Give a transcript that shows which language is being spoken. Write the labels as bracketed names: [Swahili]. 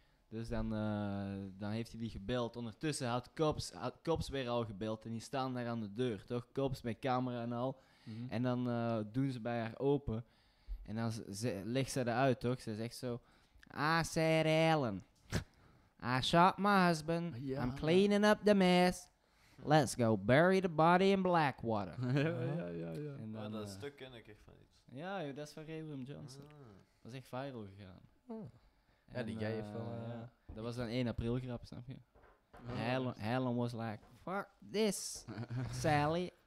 [Dutch] Dus dan heeft hij die gebeld. Ondertussen had Cops weer al gebeld en die staan daar aan de deur, toch? Cops met camera en al. Mm-hmm. En dan doen ze bij haar open en dan legt ze eruit, toch? Ze zegt zo, ah, zei Ellen. [English] I shot my husband. Yeah. I'm cleaning up the mess. Let's go bury the body in Blackwater. [Dutch] Ja. Maar dat stuk ken ik echt van iets. Ja, dat is van Ray William Johnson. Dat is echt viral gegaan. Oh. Ja, die guy heeft wel... Dat was een 1 april grap, snap je? [English] Helen was like, fuck this, Sally.